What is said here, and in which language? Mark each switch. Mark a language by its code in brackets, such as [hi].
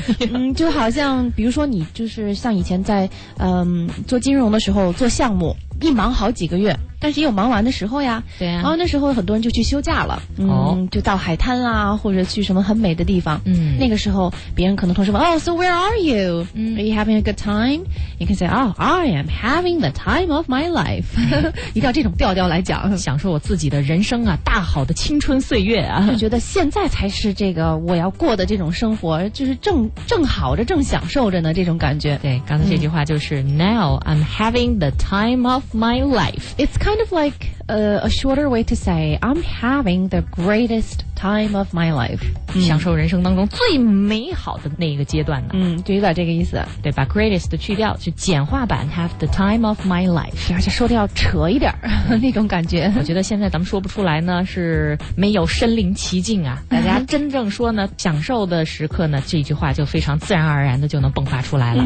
[zh] 嗯，就好像比如说你就是像以前在做金融的时候做项目，一忙好几个月，但是也有忙完的时候呀。对呀、啊。然后那时候很多人就去休假了。嗯、哦。就到海滩啊，或者去什么很美的地方。嗯。那个时候，别人可能同时问：“ [en] Oh, so where are you? Are you having a good time?” You can say, "Oh, I am having the time of my life." [zh] 一定要这种调调来讲，享受我自己的人生啊，大好的青春岁月啊，就觉得现在才是这个我要过的这种生活，就是正好着，正享受着呢，这种感觉。对，刚才这句话就是、 [en] 嗯、Now I'm having the time of my life. It's kind of like a shorter way to say I'm having the greatest time of my life. [zh] 享受人生当中最美好的那一个阶段呢。嗯，就有点这个意思。对，把 greatest 去掉，就简化版 [en] have the time of my life. [zh] 而且说的要扯一点那种感觉。我觉得现在咱们说不出来呢，是没有身临其境啊。大家真正说呢，享受的时刻呢，这句话就非常自然而然的就能迸发出来了。